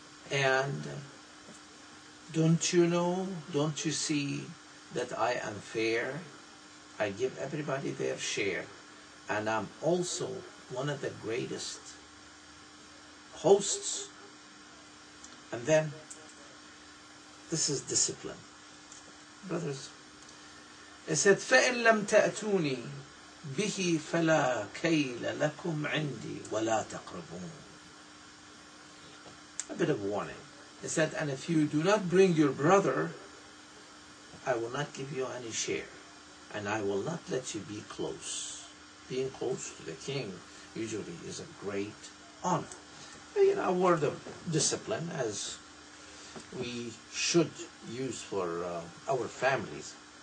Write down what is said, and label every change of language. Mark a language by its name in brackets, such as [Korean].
[English] And don't you know, don't you see that I am fair? I give everybody their share. And I'm also one of the greatest hosts. And then, this is discipline. Brothers, it said, [Arabic] فَإِن لَمْ تَأْتُونِي بِهِ فَلَا كَيْلَ لَكُمْ عِنْدِي وَلَا تَقْرَبُونَ. [English] A bit of warning. He said, and if you do not bring your brother, I will not give you any share. And I will not let you be close. Being close to the king usually is a great honor. You know, a word of discipline, as we should use for our families.